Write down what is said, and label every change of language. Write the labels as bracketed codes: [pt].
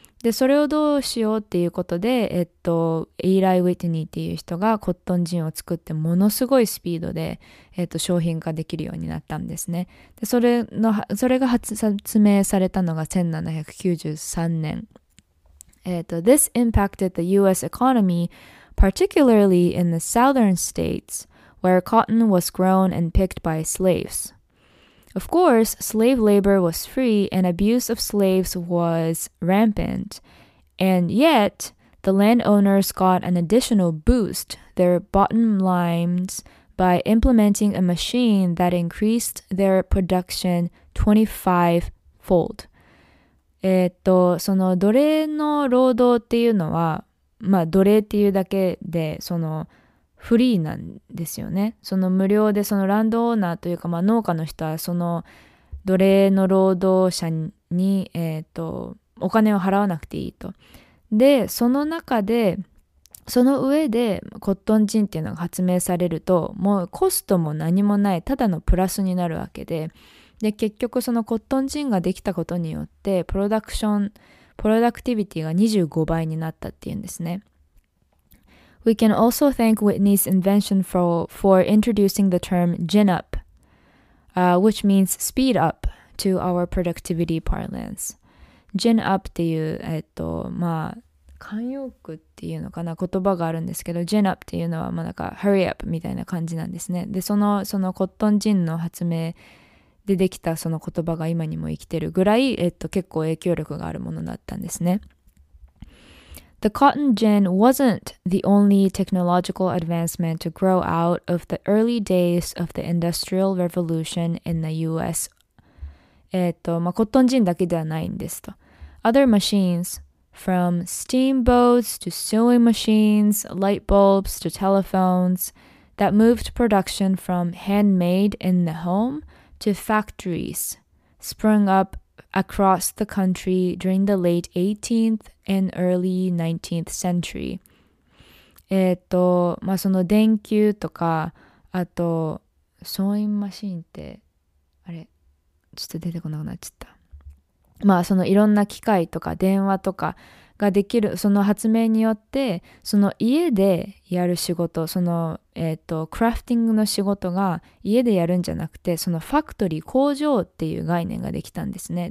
[ja] で、それをどうしようっていうことで、イーライ・ウィティニーっていう人がコットンジンを作って、ものすごいスピードで、商品化できるようになったんですね。で、それが発明されたのが1793年。 [en] This impacted the US economy, particularly in the southern states. Where cotton was grown and picked by slaves. Of course, slave labor was free and abuse of slaves was rampant. And yet, the landowners got an additional boost, their bottom lines, by implementing a machine that increased their production 25-fold. [ja] その奴隷の労働っていうのは、まあ奴隷っていうだけで、そのフリーなんですよね。その無料で、そのランドオーナーというか、まあ農家の人はその奴隷の労働者に、お金を払わなくていいと。で、その中で、その上でコットン人っていうのが発明されると、もうコストも何もない、ただのプラスになるわけで、で結局そのコットン人ができたことによって、プロダクション、プロダクティビティが25倍になったっていうんですね。 [en] We can also thank Whitney's invention for introducing the term gin up、which means speed up to our productivity parlance。 [ja] gin up っていう、まあ慣用句っていうのかな、言葉があるんですけど、 gin up っていうのは、まあなんか [en] hurry up [ja] みたいな感じなんですね。で、そのコットン人の発明でできたその言葉が今にも生きてるぐらい、結構影響力があるものだったんですね。 [en] The cotton gin wasn't the only technological advancement to grow out of the early days of the industrial revolution in the US。 [ja] まあコットン人だけではないんですと。 [en] Other machinesFrom steamboats to sewing machines, light bulbs to telephones, that moved production from handmade in the home to factories, sprung up across the country during the late 18th and early 19th century. [ja] まあその電球とか、あと、ソーイングマシーンって、あれ、ちょっと出てこなくなっちゃった。まあそのいろんな機械とか電話とかができる、その発明によって、その家でやる仕事、そのクラフティングの仕事が家でやるんじゃなくて、そのファクトリー、工場っていう概念ができたんですね。